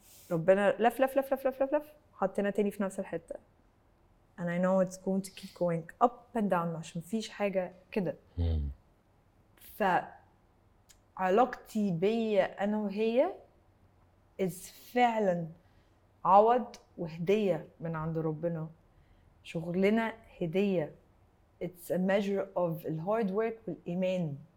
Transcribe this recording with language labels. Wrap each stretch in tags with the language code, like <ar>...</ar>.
<ar>ربنا لف لف لف لف لف لف لف حطينا تاني في نفس الحتة.</ar> <en>And I know it's going to keep going up and down.</en> <ar>مش مفيش حاجة كده. فعلاقتي بي أنا وهي is فعلا عوض وهدية من عند ربنا. شغلنا هدية.</ar> <en>It's a measure of the hard work</en> <ar>والإيمان.</ar>